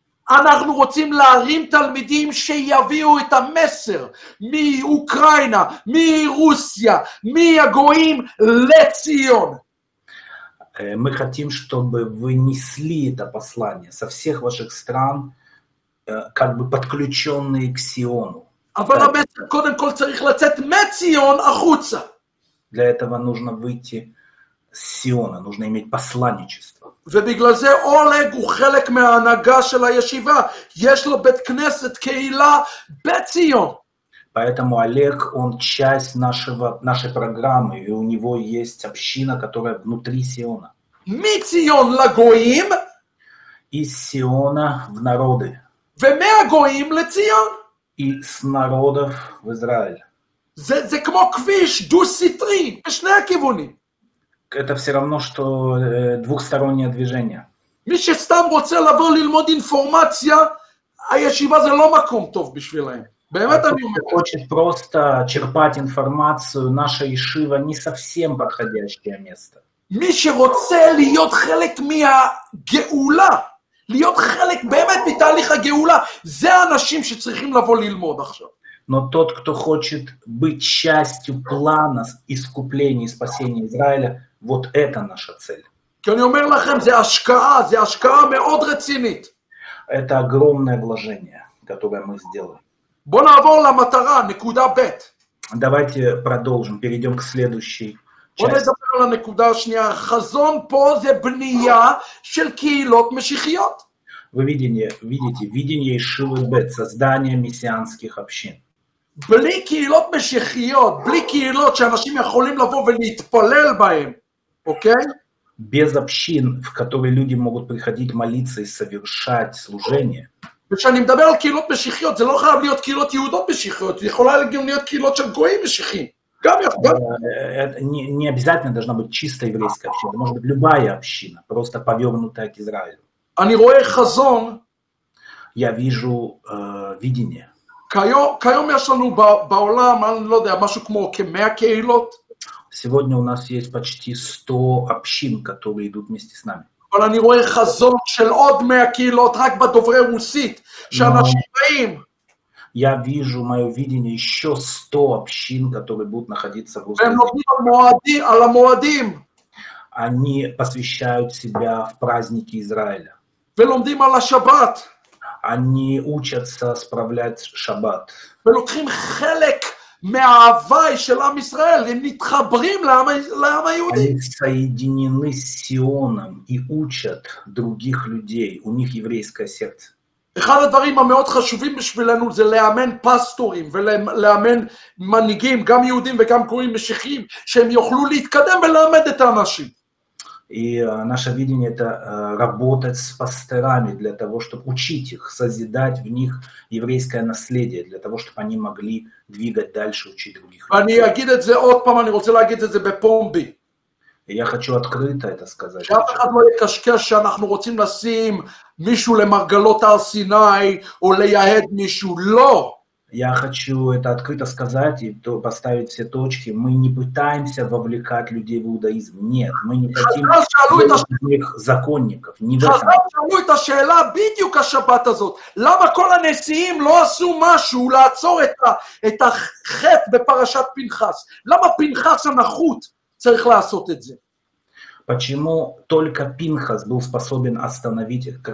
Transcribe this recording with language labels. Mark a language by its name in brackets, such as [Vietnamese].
[Hebrew] אנחנו רוצים להרים תלמידים שיביאו את המסר מאוקראינה, מרוסיה, מהגויים לציון. [Russian] Мы хотим, чтобы вы несли это послание со всех ваших стран, как бы подключённые к Сиону. [Hebrew] אבל המסר קודם כל צריך לצאת מציון החוצה. [Russian] Для этого нужно выйти с Сиона, нужно иметь посланничество. [Hebrew] ובגלל זה אולג הוא חלק מההנהגה של הישיבה, יש לו בית כנסת, קהילה, בית ציון. [Russian] Поэтому Олег, он часть нашей программы, и у него есть община, которая внутри Сиона. [Hebrew] מי ציון לגויים? [Russian] Из Сиона в народы. [Hebrew] ומהגויים לציון? [Russian] И с народов в Израиль. [Hebrew] זה כמו כביש, דו סיטרי, בשני הכיוונים. [Russian] Это все равно, что двухстороннее движение. Мы сейчас там вот цела были лмод информация, а [Hebrew] ישיבה זה לא מקום טוב בשבילהם. באמת אני אומר, [Russian] хочет просто черпать информацию, наша ישיבה не совсем подходящее место. [Hebrew] מי שרוצה להיות חלק מהגאולה, להיות חלק באמת מתהליך הגאולה, זה האנשים שצריכים לבוא ללמוד עכשיו. [Russian] Но тот, кто хочет быть частью плана искупления и спасения Израиля, вот это наша цель. Это огромное вложение, которое мы сделаем. Давайте продолжим, перейдем к следующей части. Вы видите, видение Ишивы Бет, создание мессианских общин. [Hebrew] בלי קהילות משיחיות, בלי קהילות שאנשים יכולים לבוא ולהתפלל בהם, אוקיי? [Russian] Без общин, в которые люди могут приходить молиться и совершать служение. [Hebrew] וכשאני מדבר על קהילות משיחיות, זה לא חייב להיות קהילות יהודות משיחיות, זה יכולה גם להיות קהילות של גויים משיחים. גם [Russian] не обязательно должна быть чистая еврейская община, может быть любая община, просто повернутая к Израилю. [Hebrew] אני רואה חזון. [Russian] Я вижу видение. [Hebrew] כיום יש לנו בעולם, אני לא יודע, משהו כמו כ-100 קהילות. [Russian] Сегодня у нас есть почти 100 общин, которые идут вместе с нами. [Hebrew] אבל אני רואה חזון של עוד 100 קהילות, רק בדוברי רוסית, שאנשים באים. [Russian] Я вижу, мое видение, еще 100 общин, которые будут находиться в Русском. [Hebrew] והם נותנים על המועדים. [Russian] Они посвящают себя в праздники Израиля. [Hebrew] ולומדים על השבת. [Russian] Они учатся справлять шаббат. [Hebrew] ולוקחים חלק מההווי של עם ישראל, הם מתחברים לעם היהודי. [Russian] Они соединены с Сионом и учат других людей, у них еврейское сердце. [Hebrew] אחד הדברים המאוד חשובים בשבילנו זה לאמן פסטורים ולאמן מנהיגים, גם יהודים וגם גויים משיחיים, שהם יוכלו להתקדם ולעמד את האנשים. [Russian] И наше видение – это работать с пастырами для того, чтобы учить их, созидать в них еврейское наследие, для того, чтобы они могли двигать дальше, учить других людей. Я хочу открыто это сказать. [Hebrew] שאף אחד לא יקשקש שאנחנו רוצים לשים מישהו למרגלות הר סיני או לייהד מישהו. לא! [Russian] Я хочу это открыто сказать и поставить все точки. Мы не пытаемся вовлекать людей в иудаизм. Нет, мы не хотим их законников. Не Почему только Пинхас был способен остановить их?